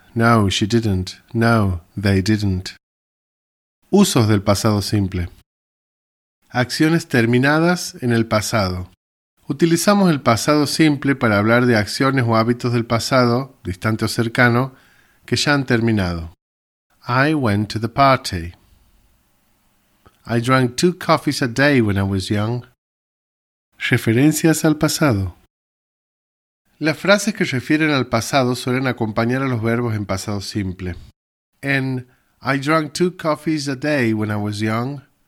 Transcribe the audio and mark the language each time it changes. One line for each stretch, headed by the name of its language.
English: No, she didn't. No, they didn't.
Spanish: Usos del pasado simple. Acciones terminadas en el pasado. Utilizamos el pasado simple para hablar de acciones o hábitos del pasado, distante o cercano, que ya han terminado.
English: I went to the party. I drank 2 coffees a day when I was young.
Spanish: Referencias al pasado. Las frases que refieren al pasado suelen acompañar a los verbos en pasado simple. En
English: I drank 2 coffees a day when I was young.